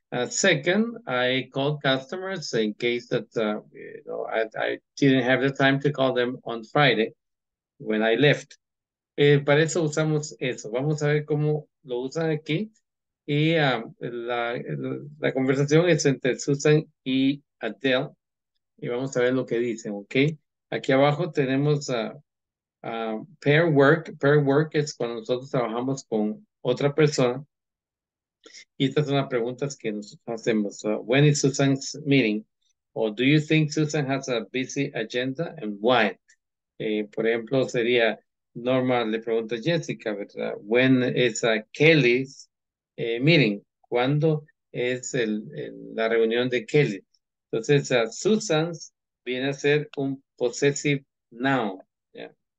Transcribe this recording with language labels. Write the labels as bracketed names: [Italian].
[English] Second, I call customers in case that I didn't have the time to call them on Friday when I left. [Spanish] Para eso usamos eso. Vamos a ver cómo lo usan aquí. Y la conversación es entre Susan y Adele. Y vamos a ver lo que dicen, ¿ok? Aquí abajo tenemos pair work. Pair work es cuando nosotros trabajamos con otra persona. Y estas son las preguntas que nos hacemos. [English] When is Susan's meeting? Or do you think Susan has a busy agenda and why? [Spanish] Por ejemplo, sería, Norma le pregunta a Jessica, ¿verdad? [English] When is Kelly's meeting? [Spanish] ¿Cuándo es la reunión de Kelly? Entonces, Susan's viene a ser un possessive noun. Yeah.